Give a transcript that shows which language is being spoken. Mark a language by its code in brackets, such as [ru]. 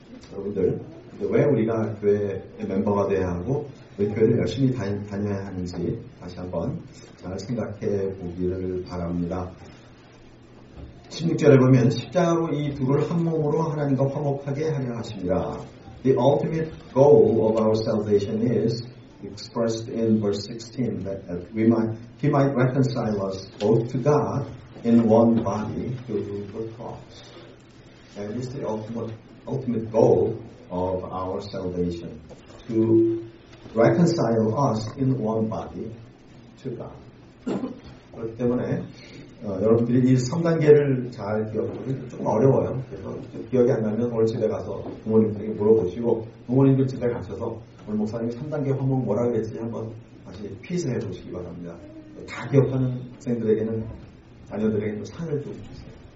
[ko] 여러분들, 왜 우리가 교회의 멤버가 돼야 하고 왜 교회를 열심히 다녀야 하는지 다시 한번 잘 생각해 보기를 바랍니다. 16절에 보면 십자가로 이 둘을 한 몸으로 하나님과 화목하게 하려 하십니다. [en] The ultimate goal of our salvation is expressed in verse 16 that he might reconcile us both to God in one body through the cross. That is the ultimate goal of our salvation, to reconcile us in one body to God. [ko] 그렇기 때문에 여러분들이 이 3단계를 잘 기억하기 조금 어려워요. 그래서 기억이 안 나면 오늘 집에 가서 부모님들에게 물어보시고 부모님들 집에 가셔서 오늘 목사님이 3단계 화목 뭐라 그랬지 한번 다시 퀴즈해 보시기 바랍니다. 다 기억하는 학생들에게는 자녀들에게는 상을 좀 주세요.